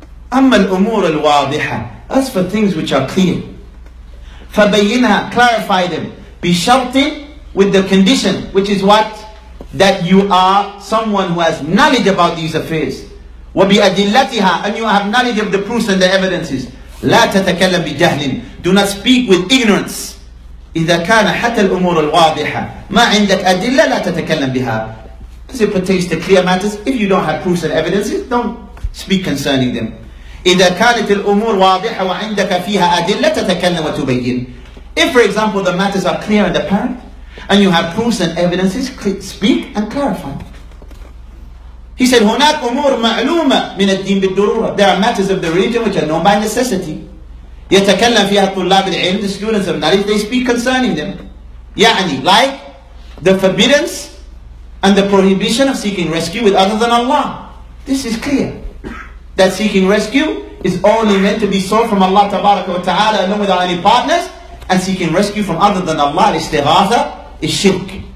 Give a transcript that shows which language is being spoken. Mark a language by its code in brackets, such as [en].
[ar] أَمَّا الْأُمُورَ الْوَاضِحَةِ [en] As for things which are clear. [ar] فَبَيِّنْهَا [en] Clarify them. [ar] بِشَرْطٍ [en] With the condition, which is what? That you are someone who has knowledge about these affairs. [ar] وبأدلتها, [en] and you have knowledge of the proofs and the evidences. [ar] لا تتكلم بجهل. [en] Do not speak with ignorance. [ar] إذا كان حتى الأمور الواضحة ما عندك أدلة لا تتكلم بها. [en] As it pertains to clear matters, if you don't have proofs and evidences, don't speak concerning them. [ar] إذا كانت الأمور واضحة وعندك فيها أدلة تتكلم وتبين. [en] If, for example, the matters are clear and apparent, and you have proofs and evidences, speak and clarify. He said, [ar] هناك أمور معلومة من الدين بالضرورة. [en] There are matters of the religion which are known by necessity. [ar] يتكلم فيها طلاب العلم, [en] the students of knowledge, they speak concerning them. [ar] يعني, [en] like the forbiddance and the prohibition of seeking rescue with other than Allah. This is clear. That seeking rescue is only meant to be sought from Allah tabaraka wa ta'ala alone without any partners, and seeking rescue from other than Allah, istighatha, is shirk.